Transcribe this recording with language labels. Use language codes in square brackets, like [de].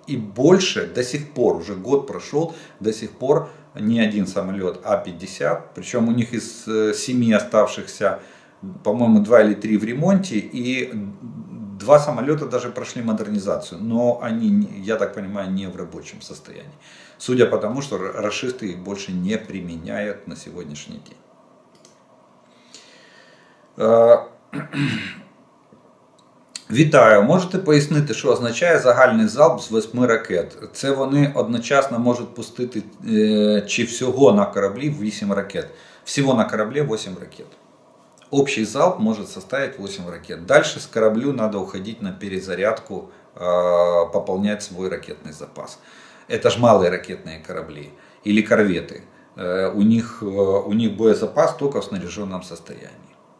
[ru] И больше до сих пор, уже год прошел, до сих пор ни один самолет А-50, причем у них из 7 оставшихся, по-моему, 2 или 3 в ремонте, и 2 самолета даже прошли модернизацию, но они, я так понимаю, не в рабочем состоянии. Судя по тому, что рашисты их больше не применяют на сегодняшний день. [uk] Вітаю, можете пояснити, що означає загальний залп з 8 ракет? Це вони одночасно можуть пустити чи всього на кораблі 8 ракет? Всього на кораблі 8 ракет. [ru] Общий залп может составить 8 ракет. Дальше с кораблю надо уходить на перезарядку, пополнять свой ракетный запас. Это же малые ракетные корабли или корветы. У них боезапас только в снаряженном состоянии.